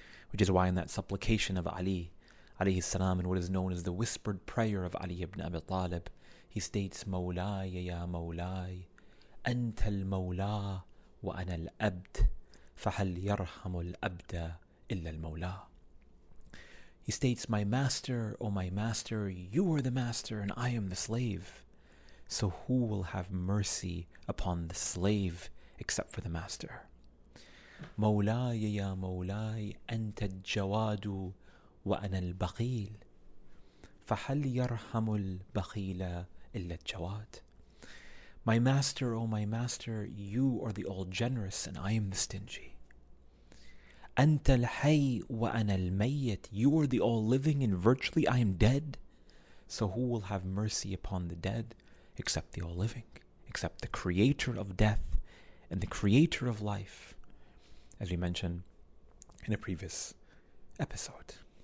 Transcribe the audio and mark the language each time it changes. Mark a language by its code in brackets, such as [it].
[en] Which is why in that supplication of Ali, alayhi salam, and what is known as the whispered prayer of Ali ibn Abi Talib, he states, [ar] مولاي يا مولاي أنت المولى وأنا الأبد فهل يرحم الأبد إلا المولى. [en] He states, my master, O my master, you are the master and I am the slave. So who will have mercy upon the slave except for the master? [ar] مولاي يا مولاي أنت الجواد وأنا البخيل فهل يرحم البخيل إلا الجواد. [en] My master, O my master, you are the all generous and I am the stingy. [ar] أنت الحي وأنا الميت. [en] You are the all living and virtually I am dead. So who will have mercy upon the dead except the all living, except the creator of death and the creator of life, as we mentioned in a previous episode.